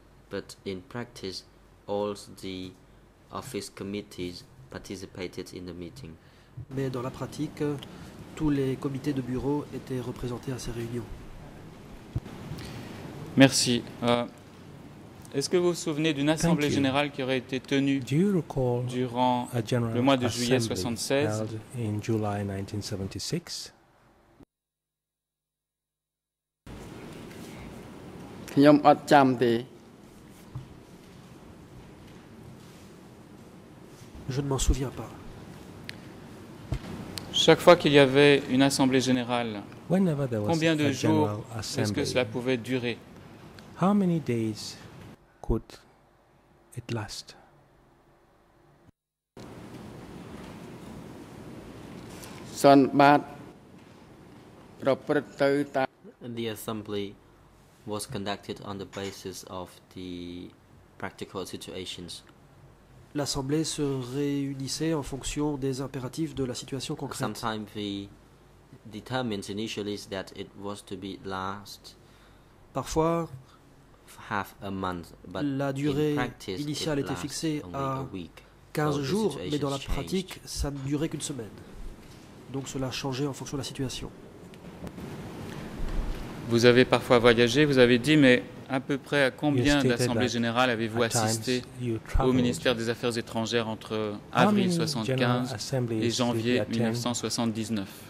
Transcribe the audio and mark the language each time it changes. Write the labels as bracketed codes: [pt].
[en] But in practice, all the office committees participated in the meeting. [fr] Mais dans la pratique, tous les comités de bureau étaient représentés à ces réunions. Merci. Est-ce que vous vous souvenez d'une assemblée générale qui aurait été tenue durant le mois de juillet 1976? [en] Do you recall a general assembly held in July 1976? [fr] Je ne m'en souviens pas. Chaque fois qu'il y avait une assemblée générale, combien de jours est-ce que cela pouvait durer? [en] How many days could it last? The assembly was conducted on the basis of the practical situations. [fr] L'assemblée se réunissait en fonction des impératifs de la situation concrète. [en] Sometimes we determined initially that it was to be last. [fr] Parfois. [en] Half a month, but [fr] la durée [en] in practice, [fr] initiale était fixée à 15 jours, mais dans la pratique, ça ne durait qu'une semaine. Donc cela changeait en fonction de la situation. Vous avez parfois voyagé, vous avez dit, mais à peu près à combien d'assemblées générales avez-vous assisté au ministère des Affaires étrangères entre avril 1975 et janvier 1979?